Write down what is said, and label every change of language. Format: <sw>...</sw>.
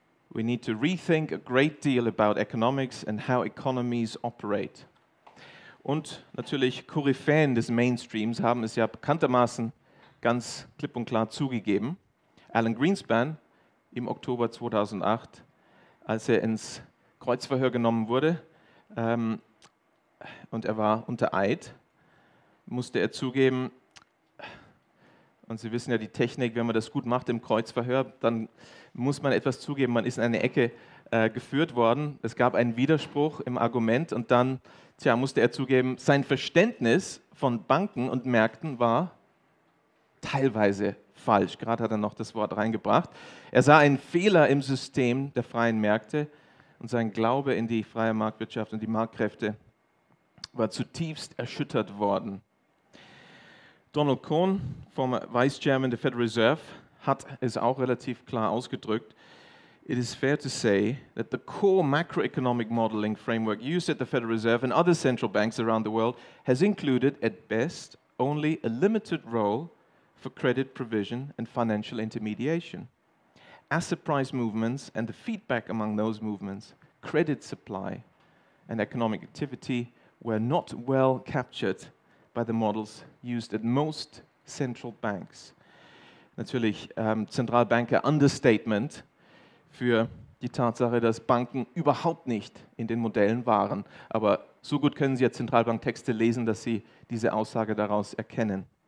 <en>We need to rethink a great deal about economics and how economies operate.</en> <de>Und natürlich Koryphäen des Mainstreams haben es ja bekanntermaßen ganz klipp und klar zugegeben. Alan Greenspan im Oktober 2008, als er ins Kreuzverhör genommen wurde und er war unter Eid, musste er zugeben, und Sie wissen ja die Technik, wenn man das gut macht im Kreuzverhör, dann muss man etwas zugeben, man ist in eine Ecke geführt worden, es gab einen Widerspruch im Argument und dann musste er zugeben, sein Verständnis von Banken und Märkten war teilweise falsch. Gerade hat er noch das Wort reingebracht. Er sah einen Fehler im System der freien Märkte und sein Glaube in die freie Marktwirtschaft und die Marktkräfte war zutiefst erschüttert worden. Donald Cohn,</de> <en>former Vice Chairman</en> <de>der Federal Reserve, hat es auch relativ klar ausgedrückt.</de> <en>It is fair to say that the core macroeconomic modeling framework used at the Federal Reserve and other central banks around the world has included, at best, only a limited role for credit provision and financial intermediation. Asset price movements and the feedback among those movements, credit supply and economic activity were not well captured by the models used at most central banks.</en> <de>Natürlich Zentralbanker Understatement für die Tatsache, dass Banken überhaupt nicht in den Modellen waren. Aber so gut können Sie ja Zentralbanktexte lesen, dass Sie diese Aussage daraus erkennen.</de>